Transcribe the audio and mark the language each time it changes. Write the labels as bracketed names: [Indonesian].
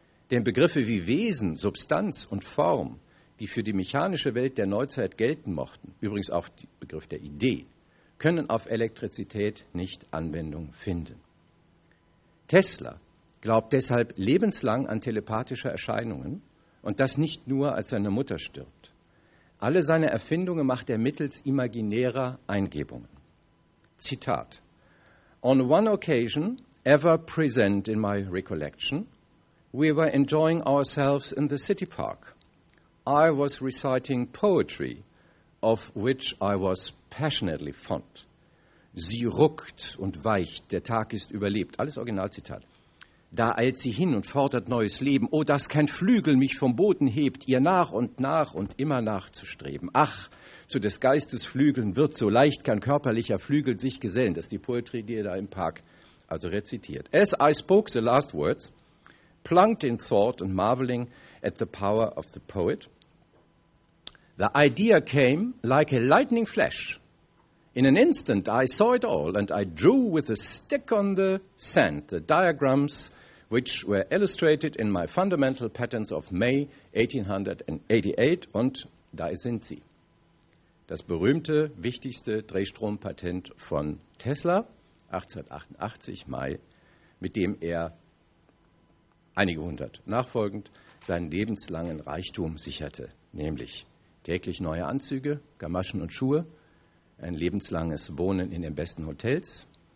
[German] Denn Begriffe wie Wesen, Substanz und Form, die für die mechanische Welt der Neuzeit gelten mochten, übrigens auch der Begriff der Idee, können auf Elektrizität nicht Anwendung finden. Tesla glaubt deshalb lebenslang an telepathische Erscheinungen und das nicht nur, als seine Mutter stirbt. Alle seine Erfindungen macht er mittels imaginärer Eingebungen. [English] Zitat: On one occasion ever present in my recollection, we were enjoying ourselves in the city park. I was reciting poetry, of which I was passionately fond. [German] Sie ruckt und weicht, der Tag ist überlebt. Alles Originalzitat. Da eilt sie hin und fordert neues Leben. Oh, dass kein Flügel mich vom Boden hebt, ihr nach und nach und immer nachzustreben. Ach, zu des Geistes Flügeln wird so leicht kein körperlicher Flügel sich gesellen. Das ist die Poetry, die er da im Park also rezitiert. [English] As I spoke the last words, plunked in thought and marveling at the power of the poet, the idea came like a lightning flash. In an instant I saw it all, and I drew with a stick on the sand the diagrams which were illustrated in my fundamental patterns of May 1888, [German] und da sind sie. Das berühmte, wichtigste Drehstrompatent von Tesla, 1888, Mai, mit dem er einige hundert nachfolgend seinen lebenslangen Reichtum sicherte, nämlich täglich neue Anzüge, Gamaschen und Schuhe, ein lebenslanges Wohnen in den besten Hotels.